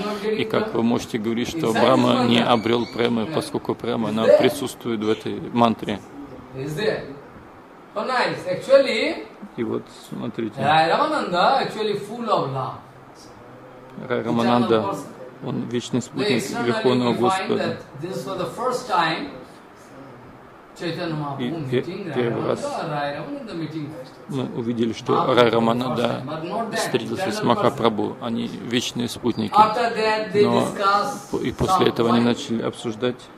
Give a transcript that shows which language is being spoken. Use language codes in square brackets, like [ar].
[ru] И как вы можете говорить, что Брахма не обрел премы, поскольку према, она присутствует в этой мантре. [en] Oh, nice. Actually, [ru] и вот смотрите. [en] Рай Рамананда actually full of love. [ru] Рай Рамананда, он вечный спутник Верховного Господа. [en] This was the first time Chaitanya Mahaprabhu meeting Рай Рамананда meeting. [ru] Мы увидели, что Рай Рамананда встретился с Махапрабху. Они вечные спутники. [en] After that they [ru] но и после этого они начали обсуждать.